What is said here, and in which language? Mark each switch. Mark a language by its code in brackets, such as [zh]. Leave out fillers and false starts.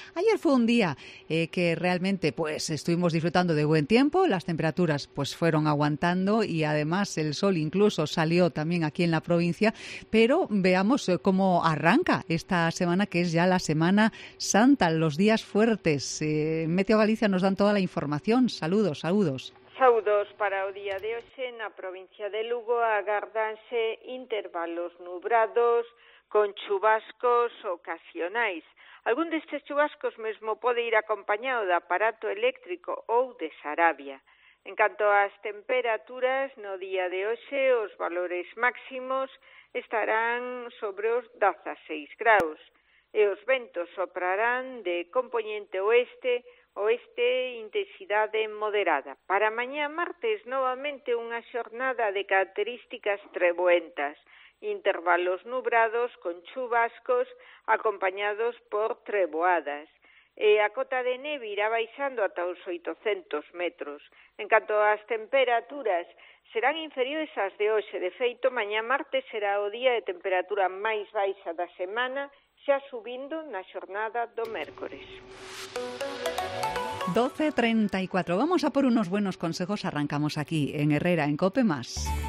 [es] Ayer fue un día que realmente pues estuvimos disfrutando de buen tiempo, las temperaturas pues fueron aguantando y además el sol incluso salió también aquí en la provincia, pero veamos cómo arranca esta semana, que es ya la Semana Santa, los días fuertes. Meteo Galicia nos dan toda la información. Saludos, saludos. [gl] Saudos para o día de hoxe na provincia de Lugo. Agárdanse intervalos nubrados con chubascos ocasionais. Algún destes chubascos mesmo pode ir acompañado de aparato eléctrico ou de sarabia. En canto ás temperaturas, no día de hoxe os valores máximos estarán sobre os 16 graus. E os ventos soprarán de compoñente oeste, intensidade moderada. Para mañá martes, novamente unha xornada de características treboentas, intervalos nubrados con chubascos acompañados por treboadas. E a cota de neve irá baixando ata os 800 metros. En canto ás temperaturas, serán inferiores ás de hoxe. De feito, mañá martes será o día de temperatura máis baixa da semana, xa subindo na xornada do mércores. 12:34. [es] Vamos a por unos buenos consejos. Arrancamos aquí, en Herrera, en COPE Más.